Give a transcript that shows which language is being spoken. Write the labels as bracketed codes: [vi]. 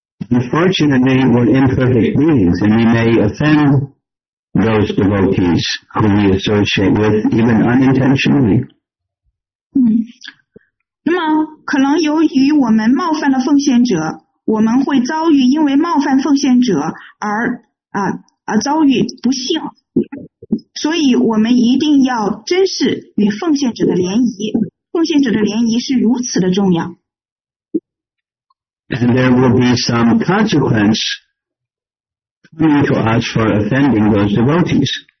[en] Unfortunately, we're imperfect beings, and we may offend those devotees who we associate with, even unintentionally. [zh] 那么可能由于我们冒犯了奉献者，我们会遭遇因为冒犯奉献者而遭遇不幸，所以我们一定要珍视与奉献者的联谊，奉献者的联谊是如此的重要。 [en] And there will be some consequence coming to us for offending those devotees.